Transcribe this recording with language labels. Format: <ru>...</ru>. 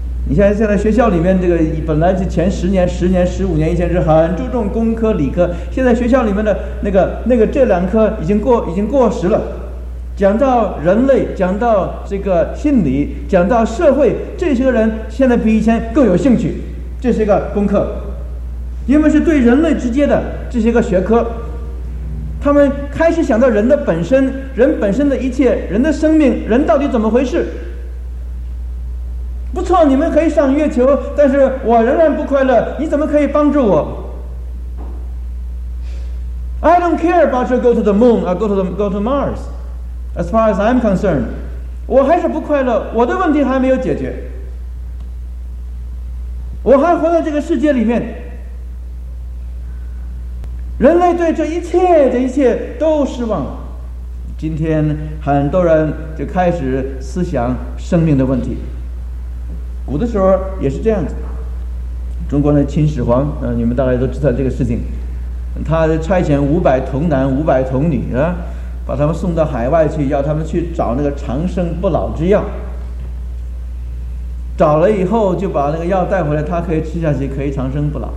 <zh>你像现在学校里面这个本来是前十年十年十五年以前是很注重工科理科，现在学校里面的那个这两科已经过时了，讲到人类，讲到这个心理，讲到社会，这些人现在比以前更有兴趣，这是一个功课，因为是对人类直接的这些个学科，他们开始想到人的本身，人本身的一切，人的生命，人到底怎么回事。不错，你们可以上月球，但是我仍然不快乐，你怎么可以帮助我？</zh> <en>I don't care about you go to the moon or go to Mars as far as I'm concerned，</en> <zh>我还是不快乐，我的问题还没有解决，我还活在这个世界里面。人类对这一切的一切都失望了，今天很多人就开始思想生命的问题。古的时候也是这样子，中国的秦始皇，你们大概都知道这个事情，他差遣500童男500童女啊，把他们送到海外去，要他们去找那个长生不老之药，找了以后就把那个药带回来，他可以吃下去，可以长生不老。</zh>